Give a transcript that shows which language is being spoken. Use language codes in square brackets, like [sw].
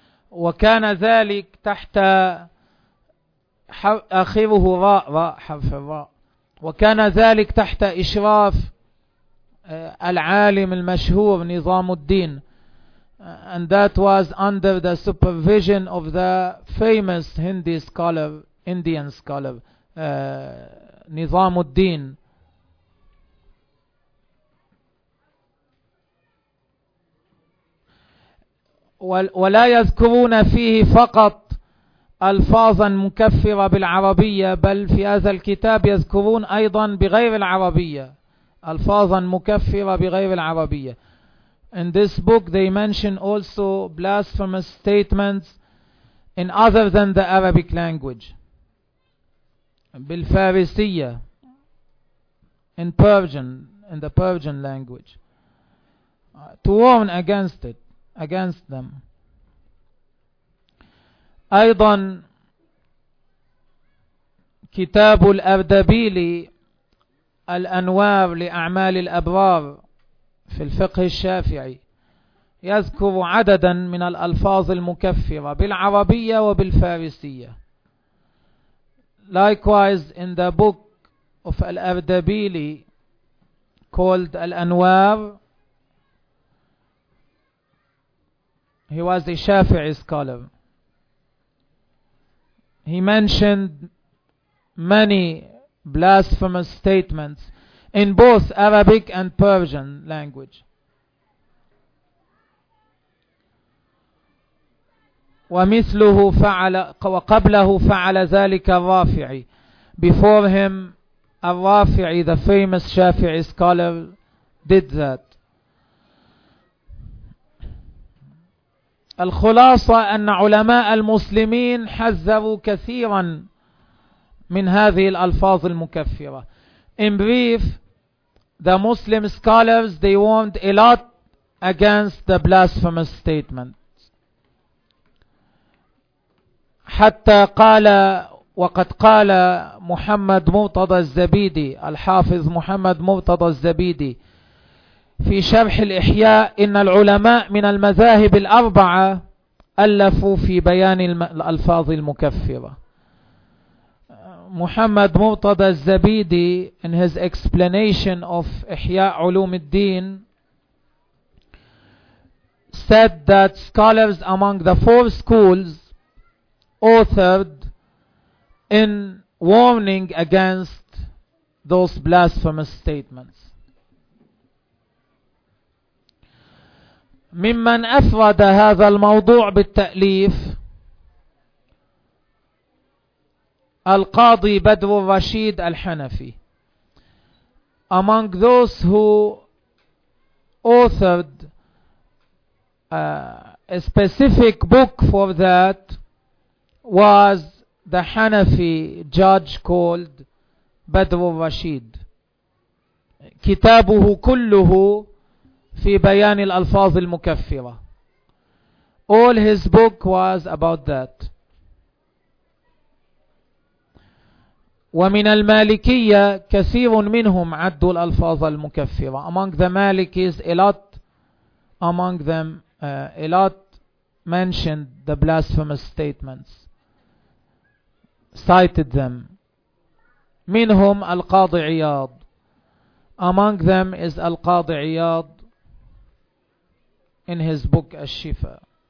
[ar] وكان ذلك تحت آخره راء, راء حرف الراء. وكان ذلك تحت إشراف العالم المشهور نظام الدين. [en] And that was under the supervision of the famous Hindi scholar, Indian scholar, نظام الدين. [ar] ولا يذكرون فيه فقط ألفاظا مكفرة بالعربية, بل في هذا الكتاب يذكرون أيضا بغير العربية, ألفاظا مكفرة بغير العربية. [en] In this book they mention also blasphemous statements in other than the Arabic language, بالفارسية, in Persian, in the Persian language, to warn against it, against them. [ar] أيضا كتاب الأردبيلي الأنوار لأعمال الأبرار في الفقه الشافعي يذكر عددا من الألفاظ المكفرة بالعربية وبالفارسية. [en] Likewise in the book of الأردبيلي called الأنوار, he was a Shafi'i scholar. He mentioned many blasphemous statements in both Arabic and Persian language. [ar] ومثله فعل وقبله فعل ذلك الرافعي. [en] Before him, الرافعي, the famous Shafi'i scholar, did that. [ar] الخلاصة أن علماء المسلمين حذروا كثيرا من هذه الألفاظ المكفرة. [en] In brief, the Muslim scholars, they warned a lot against the blasphemous statements. [ar] حتى قال, وقد قال محمد مرتضى الزبيدي, الحافظ محمد مرتضى الزبيدي في شرح الإحياء, إن العلماء من المذاهب الأربعة ألفوا في بيان الألفاظ المكفرة. [en] محمد مرتضى الزبيدي in his explanation of إحياء علوم الدين said that scholars among the four schools authored in warning against those blasphemous statements. [ar] ممن أفرد هذا الموضوع بالتأليف القاضي بدر الرشيد الحنفي. [en] Among those who authored a specific book for that was the Hanafi judge called بدر الرشيد. [ar] كتابه كله في بيان الألفاظ المكفرة. [en] All his book was about that. [ar] ومن المالكية كثير منهم عدوا الألفاظ المكفرة. [en] Among the Malikis, a lot among them, a lot mentioned the blasphemous statements, cited them. [ar] منهم القاضي عياض. [en] Among them is القاضي عياض in his book Al-Shifa.